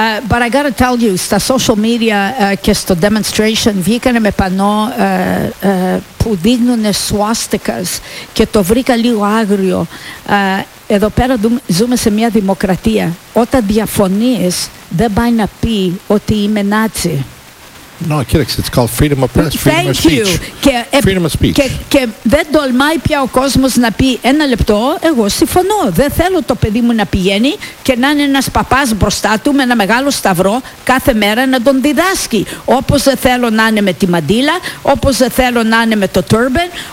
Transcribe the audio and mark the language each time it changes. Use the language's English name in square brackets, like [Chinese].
[English] But I gotta tell you, [Greek] στα social media και στο demonstration βγήκανε με πανό που δείχνουν σουάστικας και το βρήκα λίγο άγριο. Εδώ πέρα ζούμε σε μια δημοκρατία. Όταν διαφωνείς, δεν πάει να πει ότι είμαι Νάτσι. [English] No, [Greek] κοίταξε, [English] it's called freedom of press, freedom Thank of speech. You. Freedom of speech. [Greek] Και δεν τολμάει πια ο κόσμος να πει ένα λεπτό, εγώ συμφωνώ. Δεν θέλω το παιδί μου να πηγαίνει και να είναι ένας παπάς μπροστά του με ένα μεγάλο σταυρό κάθε μέρα να τον διδάσκει. Όπως δεν θέλω να είναι με τη μαντήλα, όπως δεν θέλω να είναι με το τούρμπεν.